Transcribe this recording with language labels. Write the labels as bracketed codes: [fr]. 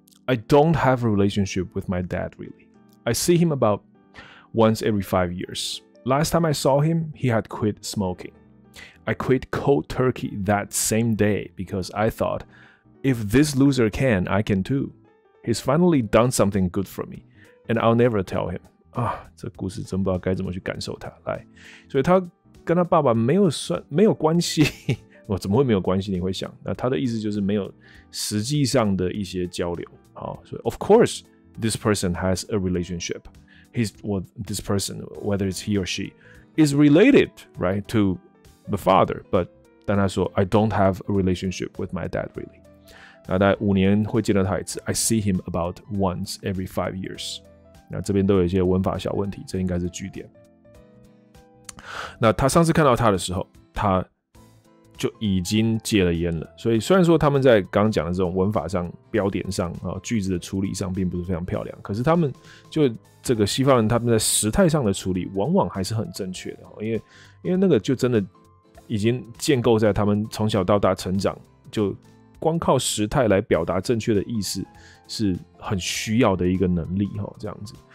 [en] I don't have a relationship with my dad really. I see him about once every 5 years. Last time I saw him, he had quit smoking. I quit cold turkey that same day because I thought, if this loser can, I can too. He's finally done something good for me, and I'll never tell him. [zh] 啊，这故事真不知道该怎么去感受他。来，所以他跟他爸爸没有关系。我怎么会没有关系？你会想，那他的意思就是没有实际上的一些交流。好，所以 [en] of course this person has a relationship. He's well, this person, whether it's he or she, is related, right, to the father. But [zh] 但他说 [en] I don't have a relationship with my dad really. [zh] 那大概五年会见到他一次。 [en] I see him about once every 5 years. [zh] 那这边都有一些文法小问题，这应该是句点。那他上次看到他的时候，他就已经戒了烟了，所以虽然说他们在刚刚讲的这种文法上、标点上、句子的处理上并不是非常漂亮，可是他们就这个西方人他们在时态上的处理往往还是很正确的，因为那个就真的已经建构在他们从小到大成长，就光靠时态来表达正确的意思是很需要的一个能力，这样子。